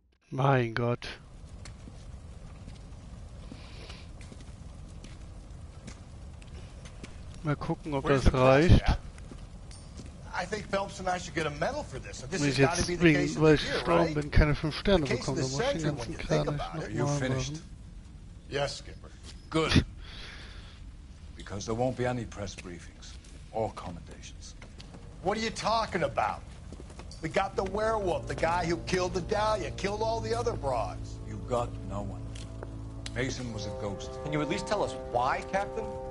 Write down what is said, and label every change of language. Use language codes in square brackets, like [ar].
[de] Mein Gott. Mal gucken, ob das reicht. [en] I think Phelps and I should get a medal for this. This has got to be the case of the year, right? [de] Bin, keine 5 Sterne bekommen, aber ich ganz klar nicht. [en] Yes, Skipper. Good. Be because there won't be any press briefings or commendations. What are you talking about? We got the werewolf, the guy who killed the Dahlia, killed all the other broads. You got no one. Mason was a ghost. Can you at least tell us why, Captain?